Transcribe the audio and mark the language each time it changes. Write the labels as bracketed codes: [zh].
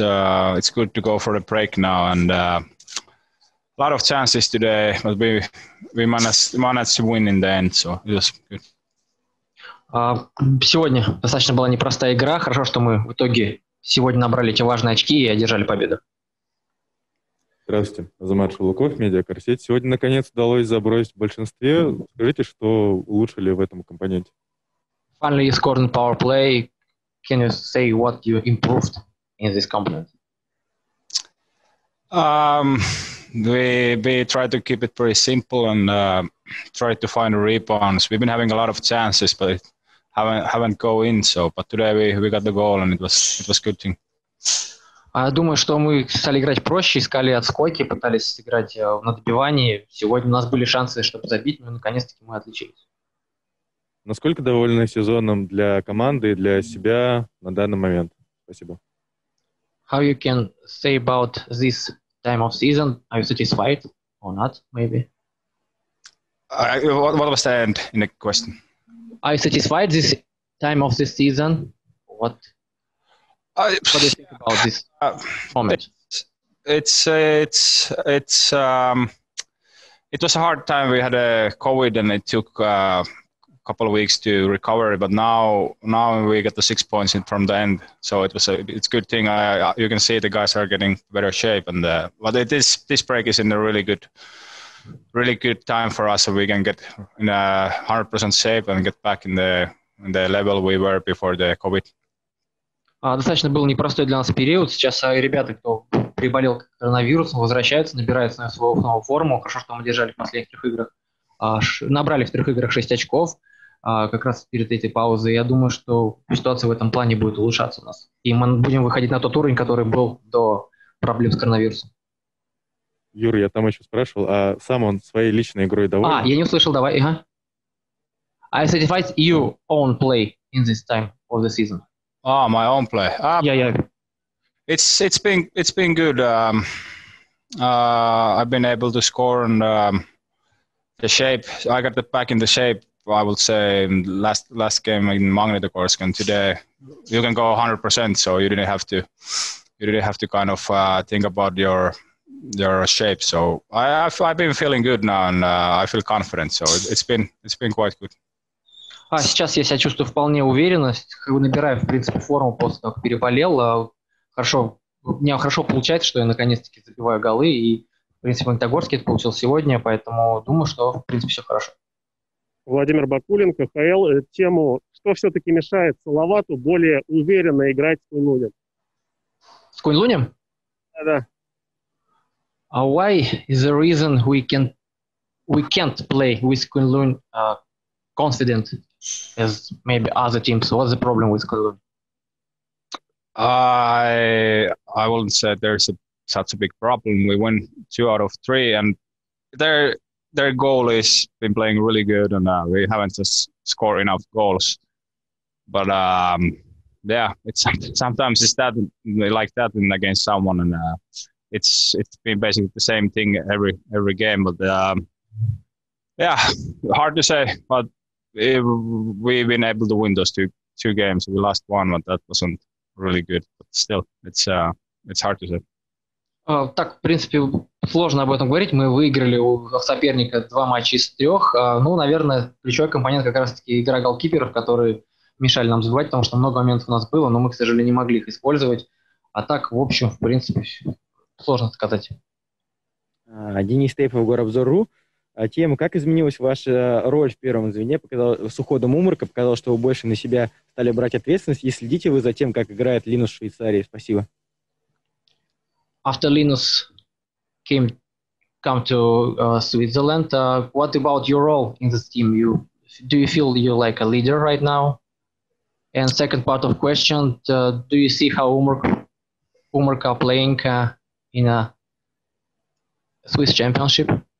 [en] It's good to go for a break now. And a lot of chances today, but we managed to win in the end. So it was good. [ru] Сегодня достаточно была непростая игра. Хорошо, что мы в итоге сегодня набрали эти важные очки и одержали победу. Здравствуйте. Азамат Шулуков, медиакарсеть. Сегодня, наконец, удалось забросить в большинстве. Скажите, что улучшили в этом компоненте? [en] Finally, you scored in power play. Can you say what you improved in this component? We try to keep it pretty simple and try to find rebounds. We've been having a lot of chances, but haven't go in, so but today we got the goal and it was good thing. [ru] Я думаю, что мы стали играть проще, искали отскоки, пытались играть в надбивании. Сегодня у нас были шансы, чтобы забить, но наконец-таки мы отличились. Насколько довольны сезоном для команды и для себя на данный момент? Спасибо. [en] How you can say about this time of season? Are you satisfied or not, maybe? What was the end in the question? Are you satisfied this time of the season? What do you think about this format? It was a hard time. We had a COVID and it took a couple of weeks to recover. But now we got the 6 points in from the end. So it's a good thing. You can see the guys are getting better shape. And but this break is in a really good time for us, so we can get in a 100% shape and get back in the level we were before the COVID. [ru] Достаточно был непростой для нас период. Сейчас ребята, кто приболел коронавирусом, возвращаются, набираются на свою новую форму. Хорошо, что мы держали в последних трех играх. Набрали в трех играх 6 очков как раз перед этой паузой. Я думаю, что ситуация в этом плане будет улучшаться у нас. И мы будем выходить на тот уровень, который был до проблем с коронавирусом. Юр, я там еще спрашивал, а сам он своей личной игрой доволен? Я не услышал, давай. [en] I satisfied you own play in this time of the season. My own play. Yeah. It's been good. I've been able to score and the shape. I got back in the shape. I would say last game in Magnitogorsk, and today you can go 100%. So you didn't have to kind of think about your shape. So I've been feeling good now, and I feel confident. So it's been quite good. [ru] А сейчас я себя чувствую вполне уверенно, набираю, в принципе, форму после того, как переболел. Хорошо, у меня хорошо получается, что я наконец-таки забиваю голы, и, в принципе, в Магнитогорске это получил сегодня, поэтому думаю, что, в принципе, все хорошо. Владимир Бакулин, КХЛ. Тему, что все-таки мешает Салавату более уверенно играть с Куньлунем? С Куньлунем? Да. [en] А why is the reason we can't play with Куньлун confident as maybe other teams? What's the problem with Kulun? I wouldn't say there's such a big problem. We went 2 out of 3, and their goal is been playing really good, and we haven't just scored enough goals. But yeah, it's sometimes it's that like that and against someone, and it's been basically the same thing every game. But yeah, hard to say, but we've been able to win those two games. We lost one, but that wasn't really good. But still, it's hard to say. [ru] Так, в принципе, сложно об этом говорить. Мы выиграли у соперника 2 матча из 3. Ну, наверное, ключевой компонент как раз-таки игра голкиперов, которые мешали нам забивать, потому что много моментов у нас было, но мы, к сожалению, не могли их использовать. А так, в общем, в принципе, сложно сказать. Денис Тейпов, Горобзор.ру. Тема, как изменилась ваша роль в первом звене с уходом Умарка? Показалось, что вы больше на себя стали брать ответственность. И следите вы за тем, как играет Линус в Швейцарии. Спасибо. [en] After Linus came to Switzerland, what about your role in this team? Do you feel you're like a leader right now? And second part of question, do you see how Umarka playing in a Swiss championship?